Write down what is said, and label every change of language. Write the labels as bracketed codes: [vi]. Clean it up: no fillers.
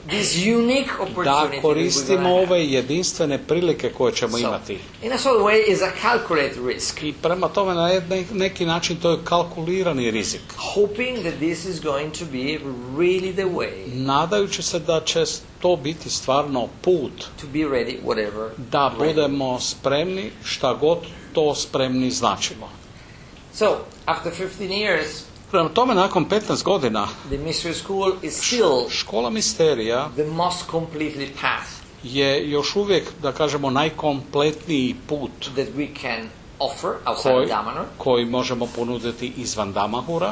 [en] this unique opportunity, [hr] da koristimo ove jedinstvene prilike koje ćemo imati. [en] In a sort of way is a calculated risk. [hr] I prema tome na neki način to je kalkulirani rizik. [en] Hoping that this is going to be really the way. [hr] Nadajući se da će to biti stvarno put. [en] To be ready, whatever. [hr] Da budemo spremni šta god to spremni značimo. [en] So, after 15 years, [hr] prema tome nakon 15 godina, [en] the mystery school is still [hr] škola misterija, [en] the most completely path, [hr] je još uvijek, da kažemo, najkompletniji put [en] that we can offer outside Damanhur, [hr] koji možemo ponuditi izvan Damanhura.